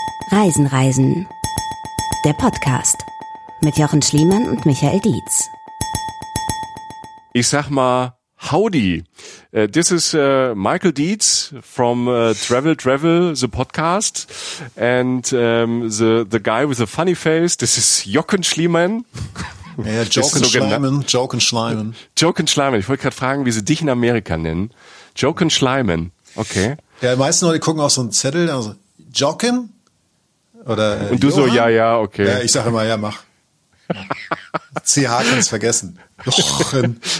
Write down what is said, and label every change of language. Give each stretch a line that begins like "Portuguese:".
German: Reisen, der Podcast mit Jochen Schliemann und Michael Dietz. Ich sag mal, howdy.
English: This is Michael Dietz from Travel, the podcast. And the guy with the funny face, this is Jochen Schliemann.
German: Jochen Schliemann. Ich wollte gerade fragen, wie sie dich in Amerika nennen. Jochen Schliemann, okay. Ja, die meisten Leute gucken auf so einen Zettel, also Jochen. Oder und du Johann? So, ja, okay. Ja, ich sage immer, ja, mach. CH kannst vergessen. Jochen.